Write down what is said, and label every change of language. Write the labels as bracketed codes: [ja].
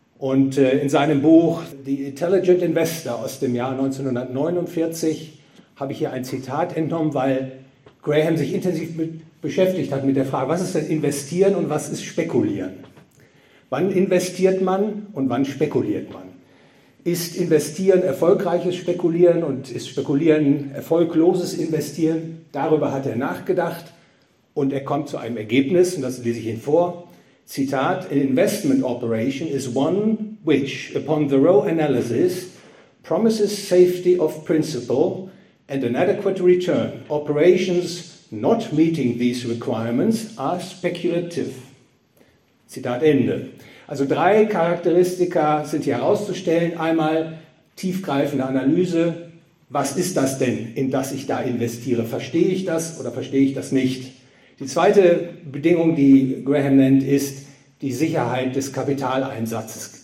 [de] Und in seinem Buch The Intelligent Investor aus dem Jahr 1949 habe ich hier ein Zitat entnommen, weil Graham sich intensiv beschäftigt hat mit der Frage, was ist denn Investieren und was ist Spekulieren? Wann investiert man und wann spekuliert man? Ist Investieren erfolgreiches Spekulieren und ist Spekulieren erfolgloses Investieren? Darüber hat er nachgedacht und er kommt zu einem Ergebnis, und das lese ich Ihnen vor. [en] Zitat, an investment operation is one which, upon thorough analysis, promises safety of principle and an adequate return. Operations not meeting these requirements are speculative. [de] Zitat Ende. Also drei Charakteristika sind hier herauszustellen. Einmal tiefgreifende Analyse. Was ist das denn, in das ich da investiere? Verstehe ich das oder verstehe ich das nicht? Die zweite Bedingung, die Graham nennt, ist die Sicherheit des Kapitaleinsatzes.